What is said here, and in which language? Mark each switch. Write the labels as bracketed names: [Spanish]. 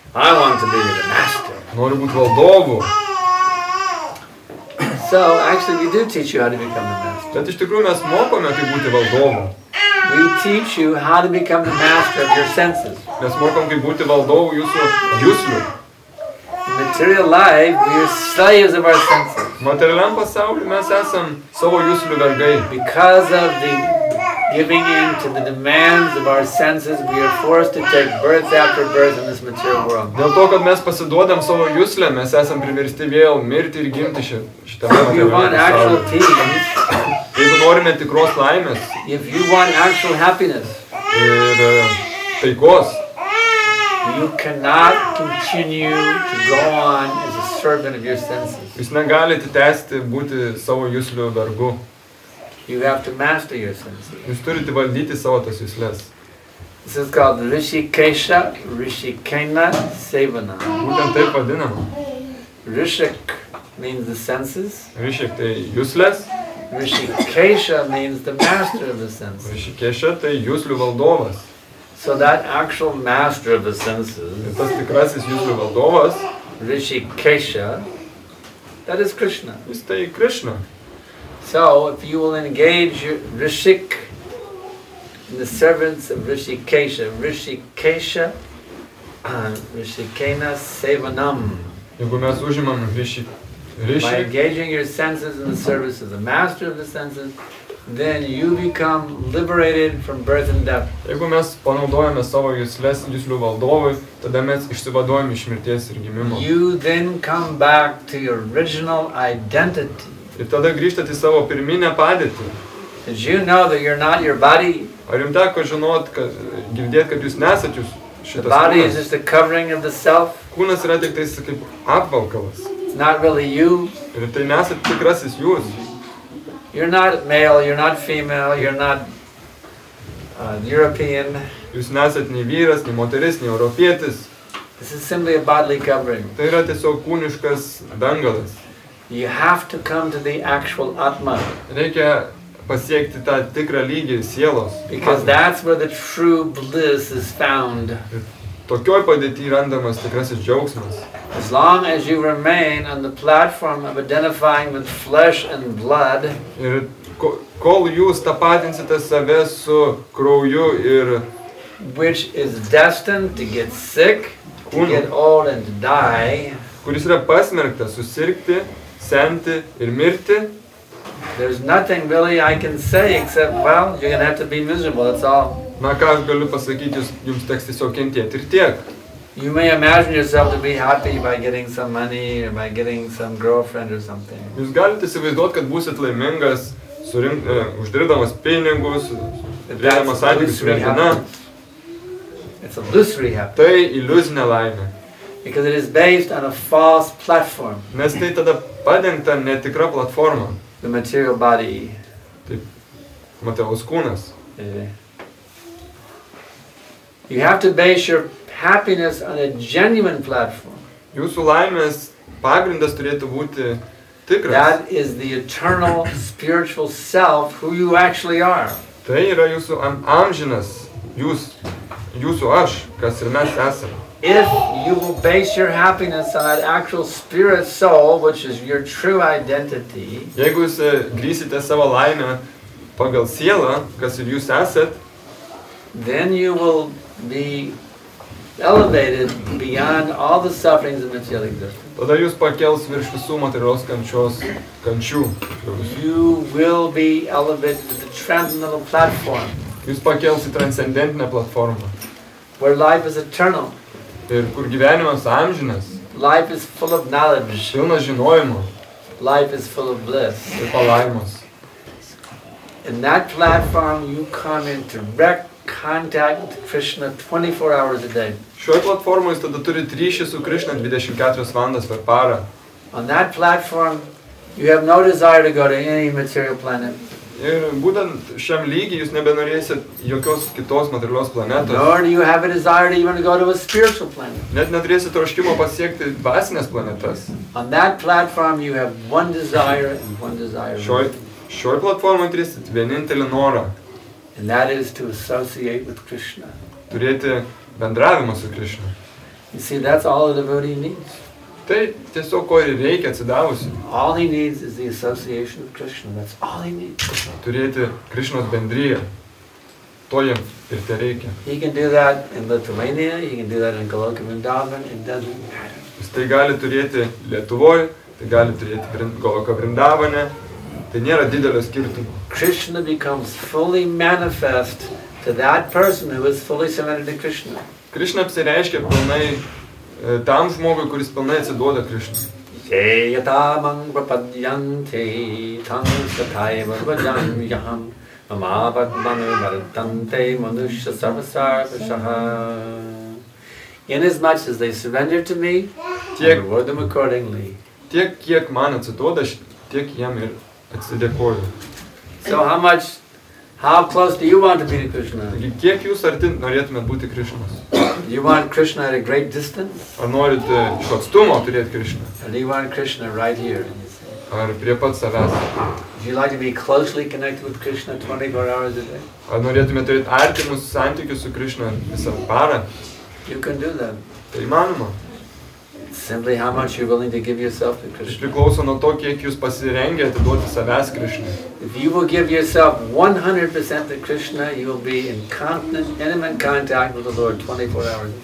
[English] I want to be the master. [Lithuanian] Noriu būti valdovu. [English] So, actually, we do teach you how to become the master. [Lithuanian] Bet iš tikrųjų mes mokome, kaip būti valdovu. [English] We teach you how to become the master of your senses. [Lithuanian] Mes mokom, kaip būti valdovu jūsų juslių. [English] In material life, we are slaves of our senses. [Lithuanian] Materialiam pasauliu mes esam savo juslių vergai. [English] Because of the giving in to the demands of our senses, we are forced to take birth after birth in this material world. [Lithuanian] Dėl to, kad mes pasiduodam savo juslę, mes esam priversti vėl mirti ir gimti šitą materialiam pasauliu. [English] If you want actual peace, [Lithuanian] jeigu norime tikros laimės, [English] if you want actual happiness, [Lithuanian] ir taikos, [English] you cannot continue to go on as a servant of your senses. [Lithuanian] Jūs negalite tęsti būti savo juslių vergu. [English] You have to master your senses. [Lithuanian] Jūs turite valdyti savo tas jusles. [English] This is called Rishikesha, Rishikena, Sevana. [Lithuanian] Būtent taip vadinama. [English] Rishik means the senses. [Lithuanian] Rishik tai jusles. [English] Rishikesha means the master of the senses. [Lithuanian] Rishikesha tai juslių valdovas. [English] So that actual master of the senses, [Lithuanian] tas tikrasis juslių valdovas, [English] Rishikesha, that is Krishna. [Lithuanian] Jis tai Krishna. [English] So, if you will engage Rishik, in the servants of Rishikesha, Rishikesha, Rishikena Sevanam. [Lithuanian] Jeigu mes užimam Rishik, [English] by engaging your senses in the service of the master of the senses, then you become liberated from birth and death. [Lithuanian] Jeigu mes panaudojame savo jusles juslių valdovui, tada mes išsivaduojame iš mirties ir gimimo. [English] You then come back to your original identity. [Lithuanian] Ir tada grįžtate į savo pirminę padėtį. [English] Did you know that you're not your body? [Lithuanian] Ar jums teko žinot, kad girdėt, kad jūs nesat jūs šitas kūnas? [English] The body is just a covering of the self. [Lithuanian] Kūnas yra tik tais kaip apvalkalas. [English] Not really you. [Lithuanian] Ir tai nesat tikrasis jūs. [English] You're not male, you're not female, you're not European. [Lithuanian] Jūs nesat nei vyras, nei moteris, nei europietis. [English] This is simply a bodily covering. [Lithuanian] Tai yra tiesiog kūniškas dangalas. [English] You have to come to the actual Atman. [Lithuanian] Reikia pasiekti tą tikrą lygį sielos. [English] Because that's where the true bliss is found. [Lithuanian] Tokioj padėty randamas tikrasis džiaugsmas. [English] As long as you remain on the platform of identifying with flesh and blood. [Lithuanian] Ir kol jūs tapatinsite save su krauju ir [English] which is destined to get sick, to get old and to die. [Lithuanian] Kuris yra pasmerktas susirgti, senti ir mirti. [English] There's nothing really I can say except, well, you're gonna have to be miserable, that's all. [Lithuanian] Na, ką aš galiu pasakyti, jums teks tiesiog kentėti ir tiek. [English] You may imagine yourself to be happy by getting some money or by getting some girlfriend or something. [Lithuanian] Jūs galite įsivaizduot, kad būsit laimingas, uždirbdamas pinigus, turėdamas santykius su mergina. [English] It's illusory happiness. [Lithuanian] Tai iliuzinė laimė. [English] Because it is based on a false platform. [Lithuanian] Nes tai tada padengta netikra platforma. [English] The material body. [Lithuanian] Taip, materialus kūnas. [English] You have to base your happiness on a genuine platform. [Lithuanian] Jūsų laimės pagrindas turėtų būti tikras. [English] That is the eternal spiritual self who you actually are. [Lithuanian] Tai yra jūsų amžinas, jūsų aš, kas ir mes esame. [English] If you will base your happiness on that actual spirit soul, which is your true identity, [Lithuanian] jeigu jūs grįsite savo laimę pagal sielą, kas ir jūs esat, [English] then you will be elevated beyond all the sufferings of material existence. [Lithuanian] Tada jūs pakels virš visų materialios kančios kančių. [English] You will be elevated to the transcendental platform. [Lithuanian] Jūs pakels į transcendentinę platformą. [English] Where life is eternal. [Lithuanian] Ir kur gyvenimas amžinas. [English] Life is full of knowledge. [Lithuanian] Pilnas žinojimo. [English] Life is full of bliss. [Lithuanian] Ir palaimos. [English] In that platform you come in direct contact with Krishna 24 hours a day. [Lithuanian] Šioje platformoje jūs tada turit ryšį su Krishna 24 valandas per parą. [English] On that platform you have no desire to go to any material planet. [Lithuanian] Ir būtent šiam lygiui jūs nebenorėsit jokios kitos materialios planetos. [English] Nor do you have a desire to even go to a spiritual planet. [Lithuanian] Net neturėsit troškimo pasiekti dvasines planetas. [English] On that platform you have one desire and one desire. [Lithuanian] Šioj platformoje turėsit vienintelį norą. [English] And that is to associate with Krishna. [Lithuanian] Turėti bendravimą su Krishna. [English] You see, that's all a devotee needs. [Lithuanian] Tai tiesiog ko ir reikia atsidavusi. [English] All he needs is the association of Krishna. That's all he needs. [Lithuanian] Turėti Krishnos bendriją. To jam ir te reikia. [English] He can do that in Lithuania, he can do that in Goloka Vrindavan, it doesn't matter. [Lithuanian] Jis tai gali turėti Lietuvoj, tai gali turėti Goloka Vrindavane. Tai nėra didelio skirtumo. [English] Krishna becomes fully manifest to that person who is fully surrendered to Krishna. [Lithuanian] Krishna apsireiškia pilnai tam žmogui, kuris pilnai atsiduoda Krishna. [Sanskrit] Jeyatamam prapadyante tam satayva vajam yaham mamabhadmanu vartante manushya sarvasarvashah. [English] Inasmuch as they surrender to me, [Lithuanian] tiek, [English] I reward them accordingly. [Lithuanian] Tiek, kiek man atsiduoda, tiek jam ir atsidėkoju. [English] So how close do you want to be to Krishna? [Lithuanian] Kiek jūs arti norėtumėt būti Krishnos? [English] You want Krishna at a great distance? [Lithuanian] Ar norit iš atstumo turėti Krishna? [English] Or do you want Krishna right here? [Lithuanian] Ar prie pat savęs? [English] Do you like to be closely connected with Krishna 24 hours a day? [Lithuanian] Ar norėtumėt turėti artimus santykius su Krishna visą parą? [English] You can do that. [Lithuanian] Tai įmanoma. [English] Simply how much you're willing to give yourself to Krishna. [Lithuanian] Priklauso nuo to, kiek jūs pasirengę atiduoti savęs Krishna. [English] If you will give yourself 100% to Krishna, you will be in constant, intimate contact with the Lord 24 hours.